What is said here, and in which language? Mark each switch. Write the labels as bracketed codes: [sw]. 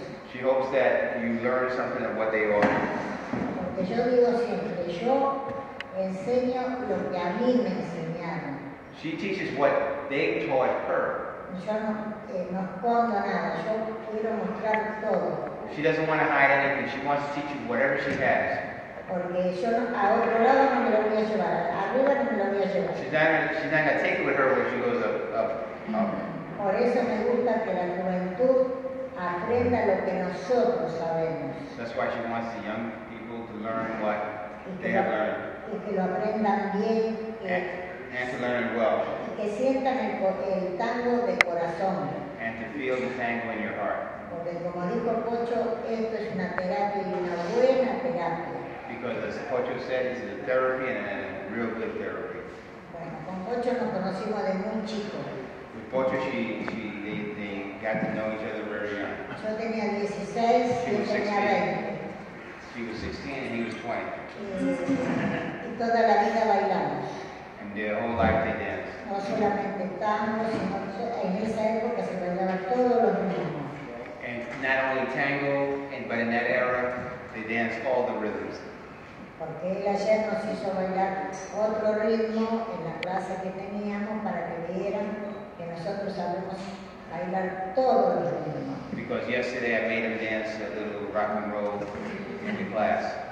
[en] She hopes that you learn something of what they offer. [es] Porque yo digo siempre, yo enseño lo que a mí me enseñaron. [en] She teaches what they taught her. [es] Yo no escondo nada, yo quiero mostrar todo. [en] She doesn't want to hide anything, she wants to teach you whatever she has. [es] Porque yo a otro lado no me lo voy a llevar, arriba no me lo voy a llevar. [en] She's not going to take it with her when she goes up. [es] Por eso me gusta que la juventud aprenda lo que nosotros sabemos. [en] That's why she wants the young people to learn what they have learned. [es] Y que lo aprendan bien. [en] And to learn it well. [es] Y que sientan el tango de corazón. [en] And to feel the tango in your heart. [es] Porque como dijo Pocho, esto es una terapia y una buena terapia. [en] Because as Pocho said, it's a therapy and a real good therapy. [es] Bueno, con Pocho nos conocimos de muy chico. [en] With Pocho, they got to know each other very young. [es] Yo tenía 16, [en] she was [es] 16. Tenía 20. [en] She was 16 and he was 20. [es] Y toda la vida bailamos. [en] And their whole life they danced. [es] No solamente tango, sino en esa época se bailaba todos los ritmos. [en] And not only tango, but in that era, they danced all the rhythms. [es] Porque él ayer nos hizo bailar otro ritmo en la clase que teníamos para que vieran que nosotros sabemos bailar todos los ritmos. [en] Because yesterday I made him dance a little rock and roll in the class.